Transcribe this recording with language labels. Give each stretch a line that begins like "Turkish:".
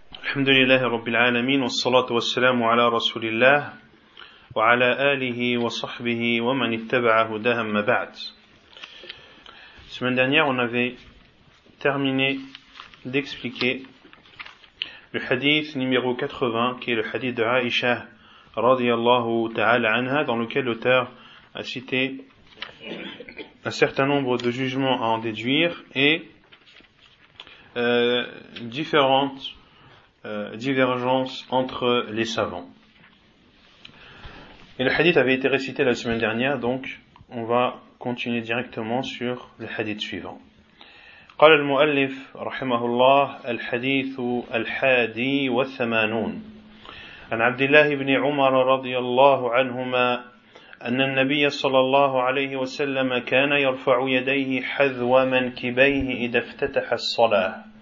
Arabic: الحمد لله رب العالمين والصلاة والسلام على رسول الله وعلى آله وصحبه ومن اتبع هداه ما بعد.
French: Semaine dernière, on avait terminé d'expliquer le hadith numéro 80, qui est le hadith de Aïcha
Arabic: radiyallahu ta'ala anha,
French: dans lequel l'auteur a cité un certain nombre de jugements à en déduire et différentes divergences entre les savants. Et le hadith avait été récité la semaine dernière, donc on va continuer directement sur le hadith suivant.
Arabic: قال المؤلف رحمه الله الحديث الحادي والثمانون عن عبد الله بن عمر رضي الله عنهما أن النبي صلى الله عليه وسلم كان يرفع يديه حذو منكبيه إذا افتتح الصلاة